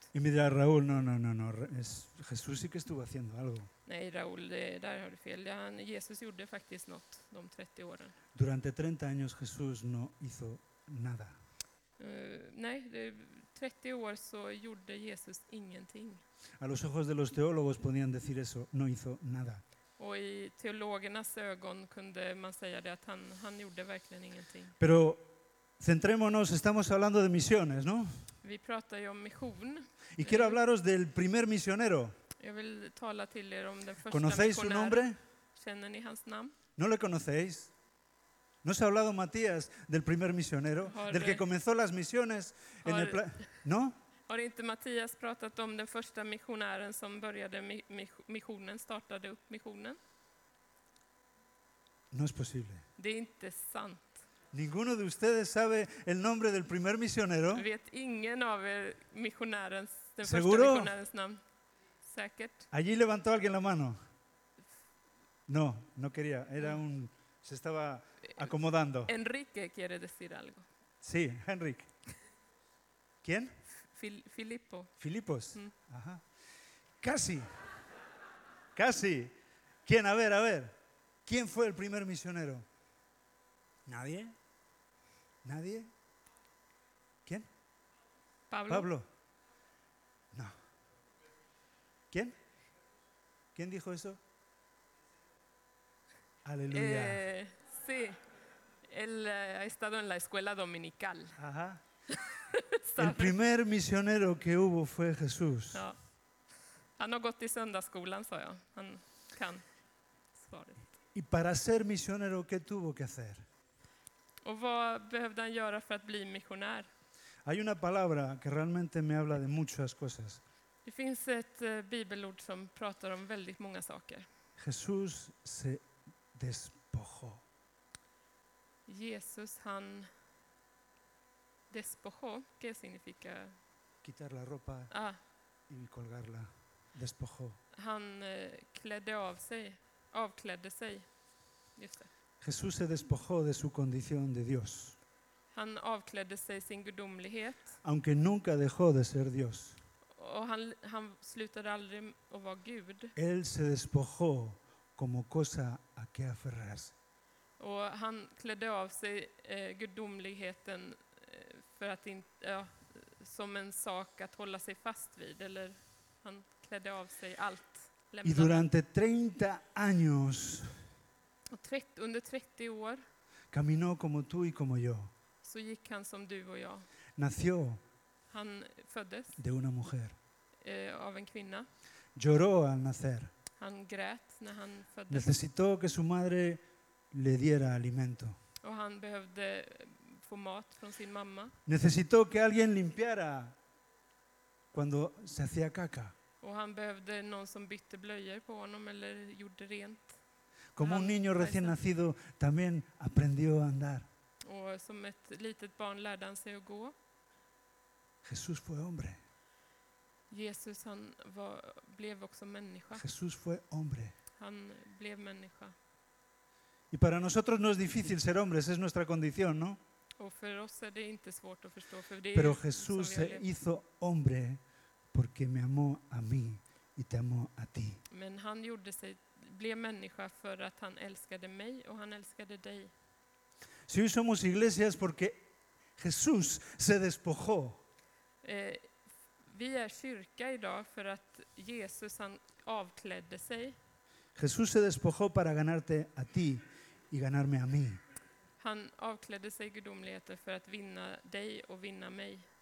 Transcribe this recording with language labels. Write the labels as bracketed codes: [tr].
[es] Y mira Raúl, no, es Jesús sí que estuvo haciendo algo. [sv] Nej, Raúl, där har du fel. Ja, Jesus gjorde faktiskt något de 30 åren. [es] Durante 30 años Jesús no hizo nada. [sv] Nej, 30 år så gjorde Jesus ingenting. [es] A los ojos de los teólogos podían decir eso, no hizo nada. [sv] Och i teologernas ögon kunde man säga det att han gjorde verkligen ingenting. [es] Pero centrémonos, estamos hablando de misiones, ¿no? [sv] Vi pratar ju om mission. [es] Y quiero hablaros del primer misionero. [sv] Jag vill tala till er om den första. [es] ¿Conocéis su nombre? [sv] ¿Känner ni hans namn? [es] ¿No le conocéis? ¿No se ha hablado Matías del primer misionero, del que comenzó las misiones en el ¿No? [sv] Har inte Matías pratat om den första missionären som började missionen, startade upp missionen? [es] No es posible. [sv] Det är inte sant. [es] Ninguno de ustedes sabe el nombre del primer misionero. [sv] Vet ingen av missionärens den första missionärens namn. Säkert. [es] Allí levantó alguien la mano. No, no quería. Era un se estaba acomodando. Enrique quiere decir algo. Sí, Enrique. ¿Quién? Filippo. Filipos. Ajá. Casi. Casi. ¿Quién? A ver. ¿Quién fue el primer misionero? Nadie. ¿Nadie? ¿Quién? Pablo. No. ¿Quién? ¿Quién dijo eso? Aleluya. Sí. Él ha estado en la escuela dominical. Ajá. El primer misionero que hubo fue Jesús. [sv] Ja. Han har gått i söndagsskolan, sa jag. Han kan svaret. [es] Y para ser misionero, ¿qué tuvo que hacer? [sv] Och vad behövde han göra för att bli missionär? [es] Hay una palabra que realmente me habla de muchas cosas. [sv] Det finns ett bibelord som pratar om väldigt många saker. [es] Jesús se despojó. Jesus, han despojó. ¿Qué significa? Quitar la ropa y colgarla. Despojó. [sv] Han klädde av sig, avklädde sig. Just det. [es] Jesús se despojó de su condición de Dios. [sv] Han avklädde sig sin gudomlighet. [es] Aunque nunca dejó de ser Dios. [sv] Och han slutade aldrig att vara Gud. [es] Él se despojó como cosa a que aferrarse. [sv] Och han klädde av sig gudomligheten för att inte som en sak att hålla sig fast vid, eller han klädde av sig allt. [es] Y durante 30 años. [sv] Och under 30 år. [es] Caminó como tú y como yo. [sv] Så gick han som du och jag. [es] Nació. [sv] Han föddes. [es] De una mujer. [sv] Av en kvinna. [es] Lloró al nacer. [sv] Han grät när han föddes. [es] Necesitó que su madre le diera alimento. [sv] Och han behövde få mat från sin mamma. [es] Necesitó que alguien limpiara cuando se hacía caca. [sv] Och han behövde någon som bytte blöjor på honom eller gjorde rent. [es] Como un niño recién nacido también aprendió a andar. [sv] Och som ett litet barn lärde han sig att gå. [es] Jesús fue hombre. [sv] Jesus, han blev också människa. [es] Jesús fue hombre. [sv] Han blev människa. [es] Y para nosotros no es difícil ser hombres, es nuestra condición, ¿no? [sv] Och för oss är det inte svårt att förstå, för det. [es] Pero Jesús se hizo hombre porque me amó a mí y te amó a ti. [sv] Men han gjorde sig, blev människa för att han älskade mig och han älskade dig. [es] Si hoy somos iglesias porque Jesús se despojó. [sv] Vi är kyrka idag för att Jesus, han avklädde sig. [es] Jesús se despojó para ganarte a ti y ganarme a mí. [sv] Han avklädde sig gudomligheten för att vinna dig och vinna mig.